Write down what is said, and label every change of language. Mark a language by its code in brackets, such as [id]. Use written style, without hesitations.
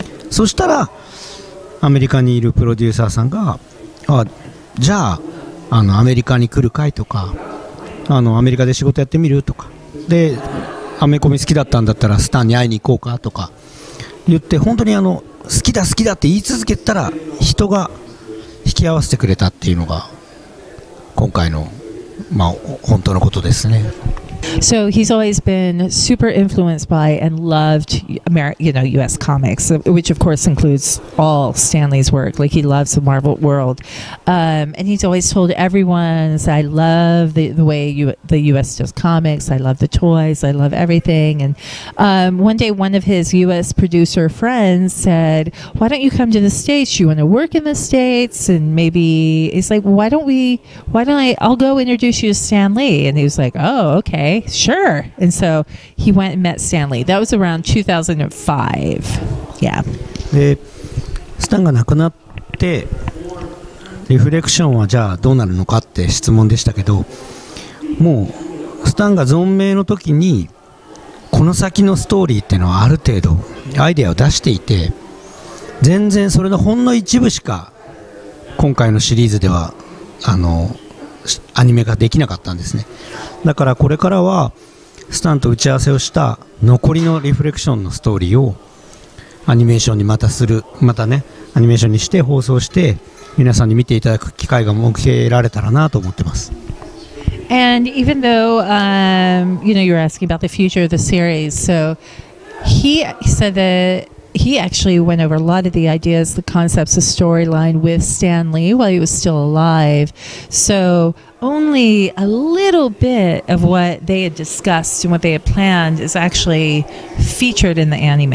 [ja] そしたらアメリカにいるプロデューサーさんが、あ、じゃ あのアメリカに来るかいとか、あのアメリカで仕事やってみるとかで、アメコミ好きだったんだったらスタンに会いに行こうかとか言って、本当にあの好きだ好きだって言い続けたら人が引き合わせてくれたっていうのが今回の、まあ、本当のことですね。 [en] So he's always been super influenced by and loved US comics, which of course includes all Stanley's work. Like he loves the Marvel world. And he's always told everyone, I love the way the US does comics, I love the toys, I love everything. And one day one of his US producer friends said, why don't you come to the States? You want to work in the States? And maybe he's like, I'll go introduce you to Stan Lee. And he was like, oh, okay. Sure. And so he went and met Stan Lee. That was around 2005. Yeah. [ja] で、スタンが亡くなってリフレクションはじゃあどうなるのかって質問でしたけど、もうスタンが存命の時にこの先のストーリーっていうのはある程度アイデアを出していて、全然それのほんの一部しか今回のシリーズではあのアニメができなかったんですね。だからこれからはスタンと打ち合わせをした残りのリフレクションのストーリーをアニメーションにまたする、またね、アニメーションにして放送して皆さんに見ていただく機会が設けられたらなと思ってます。 [en] And even though, you know, you're asking about the future of the series, so he said that he actually went over a lot of the ideas, the concepts, the storyline with Stan Lee while he was still alive. So... Only a little bit of what they had discussed and what they had planned is actually featured in the anime.